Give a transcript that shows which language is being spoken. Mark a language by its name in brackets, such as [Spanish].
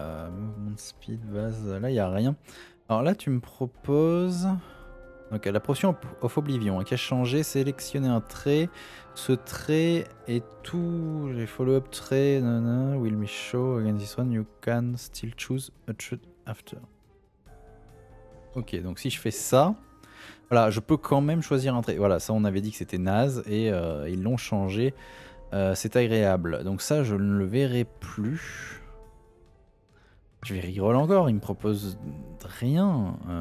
[French] Mouvement de speed, base, là, il n'y a rien. Alors là, tu me proposes... Ok, la potion of Oblivion, qui a changé, sélectionner un trait. Ce trait est tout. [English] Les follow-up traits, nanana, will be show against this one. You can still choose a trait after. [French] Ok, donc si je fais ça, voilà, je peux quand même choisir un trait. Voilà, ça on avait dit que c'était naze et ils l'ont changé. C'est agréable. Donc ça, je ne le verrai plus. Je vais rigoler encore, il me propose rien.